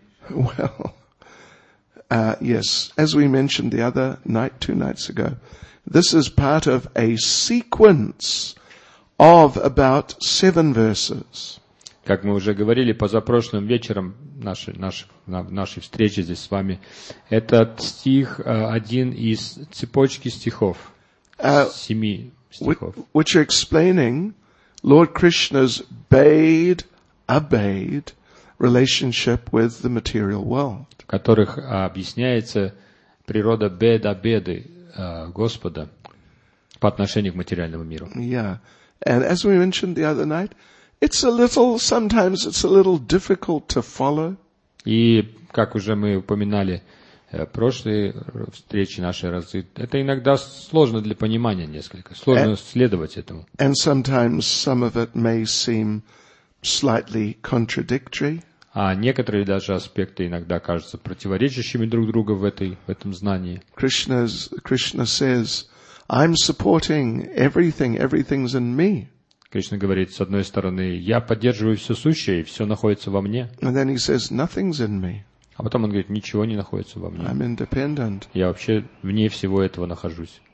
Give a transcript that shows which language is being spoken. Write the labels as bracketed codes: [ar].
[en] Well, yes, as we mentioned the other night, two nights ago, this is part of a sequence of about seven verses. [ru] Как мы уже говорили позапрошлым вечером нашей встречи здесь с вами, этот стих один из цепочки стихов, семи стихов. [en] Which are explaining Lord Krishna's bade-abade relationship with the material world. [ru] В которых объясняется природа бед-абеды Господа по отношению к материальному миру. [en] Yeah, and as we mentioned the other night, it's a little, sometimes it's a little difficult to follow. [ru] И как уже мы упоминали в прошлой встрече нашей разы, это иногда сложно для понимания несколько, сложно следовать этому. [en] And sometimes some of it may seem slightly contradictory. [ru] А некоторые даже аспекты иногда кажутся противоречащими друг другу в этом знании. [en] Krishna says, I'm supporting everything, everything's in me. [ru] Кришна говорит, с одной стороны, я поддерживаю все сущее, и все находится во мне. [en] And then he says, nothing's in me. [ru] А потом он говорит, ничего не находится во мне. [en] I'm independent. [ru] Я вообще вне всего этого нахожусь.